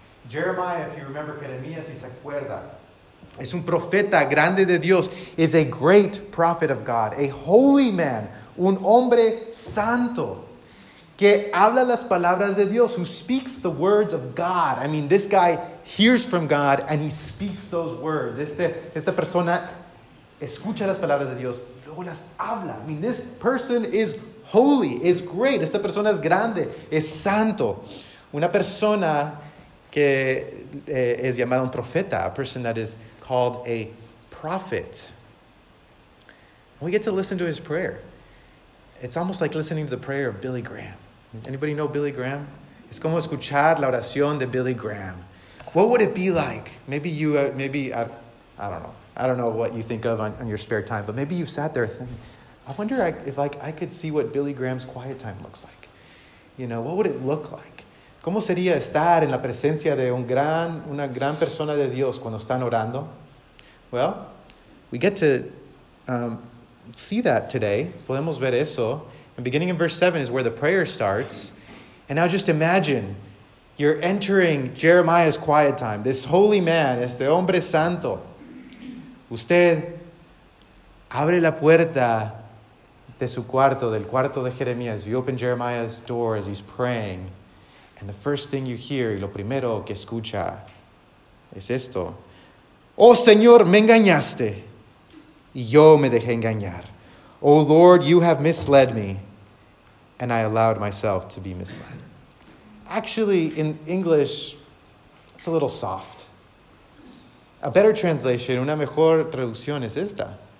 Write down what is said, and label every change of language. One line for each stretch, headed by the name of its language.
English: Jeremiah, if you remember,
Spanish: Jeremías, si se acuerda, es un profeta grande de Dios,
English: is a great prophet of God, a holy man,
Spanish: un hombre santo, que habla las palabras de Dios,
English: who speaks the words of God. I mean, this guy hears from God and he speaks those words.
Spanish: Esta persona escucha las palabras de Dios y luego las habla.
English: I mean, this person is holy, is great.
Spanish: Esta persona es grande, es santo. Una persona que es llamada un profeta,
English: a person that is called a prophet. We get to listen to his prayer. It's almost like listening to the prayer of Billy Graham. Anybody know Billy Graham?
Spanish: Es como escuchar la oración de Billy Graham.
English: What would it be like? Maybe you, I don't know. I don't know what you think of on your spare time, but maybe you've sat there thinking, I wonder if like I could see what Billy Graham's quiet time looks like. You know, what would it look like?
Spanish: ¿Cómo sería estar en la presencia de una gran persona de Dios cuando están orando?
English: Well, we get to see that today.
Spanish: Podemos ver eso.
English: And beginning in verse 7 is where the prayer starts. And now just imagine you're entering Jeremiah's quiet time. This holy man,
Spanish: este hombre santo. Usted abre la puerta de su cuarto, del cuarto de Jeremías.
English: You open Jeremiah's door as he's praying. And the first thing you hear,
Spanish: y lo primero que escucha, es esto. Oh, Señor, me engañaste, y yo me dejé engañar.
English: Oh, Lord, you have misled me, and I allowed myself to be misled. Actually, in English, it's a little soft. A better translation,
Spanish: una mejor traducción es esta.